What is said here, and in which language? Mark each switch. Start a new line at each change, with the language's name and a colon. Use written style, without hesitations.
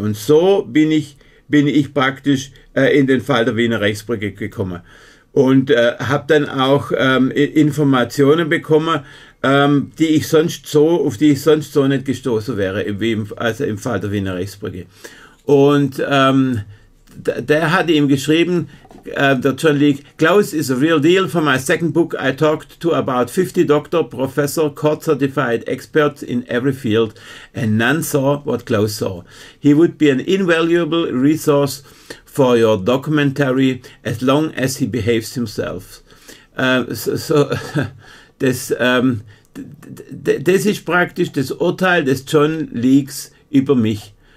German: Und so bin ich praktisch in den Fall der Wiener Reichsbrücke gekommen und habe dann auch Informationen bekommen, auf die ich sonst so nicht gestoßen wäre, im Fall der Wiener Reichsbrücke. Und der hat ihm geschrieben,
English: Dr. John Leake, Klaus is a real deal. For my second book, I talked to about 50 doctor, professor, court-certified experts in every field, and none saw what Klaus saw. He would be an invaluable resource for your documentary as long as he behaves himself.
German: Das ist praktisch das Urteil des John Leakes über mich.